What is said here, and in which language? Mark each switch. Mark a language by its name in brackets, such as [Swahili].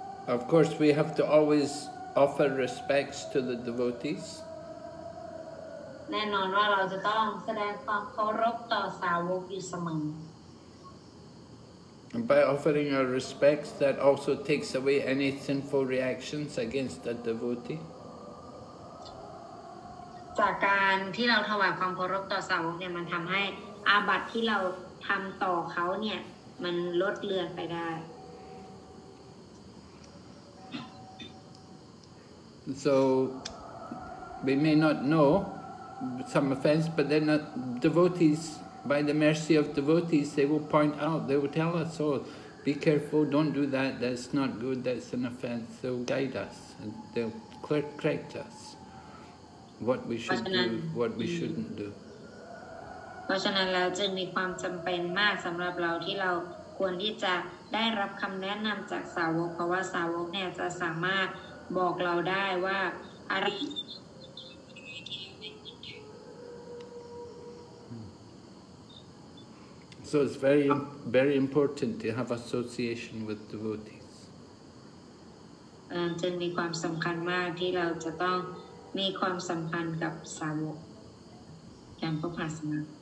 [English] Of course we have to always offer respects to the devotees. [Thai] แน่นอนว่าเราจะต้องแสดงความเคารพต่อสาวกอยู่เสมอ [English] And by offering our respects that also takes away any sinful reactions against a devotee. [Thai] จากการที่เราถวายความเคารพต่อสาวกเนี่ยมันทำให้อาบัติที่เราทำต่อเขาเนี่ยมันลดเลือนไปได้ [English] So we may not know some offense, but then devotees, by the mercy of devotees, they will point out, they will tell us, oh, be careful, don't do that, that's not good, that's an offense. They'll guide us, and they'll correct us. What we should do, what we shouldn't do. [Thai] เพราะฉะนั้นเราจึงมีความจำเป็นมากสำหรับเราที่เราควรที่จะได้รับคำแนะนำจากสาวกเพราะว่าสาวกเนี่ยจะสามารถบอกเราได้ว่าอะไร [English] So it's very, very important to have association with devotees. [Thai] จึงมีความสำคัญมากที่เราจะต้องมีความสัมพันธ์กับสาวกอย่างพระภาสนะ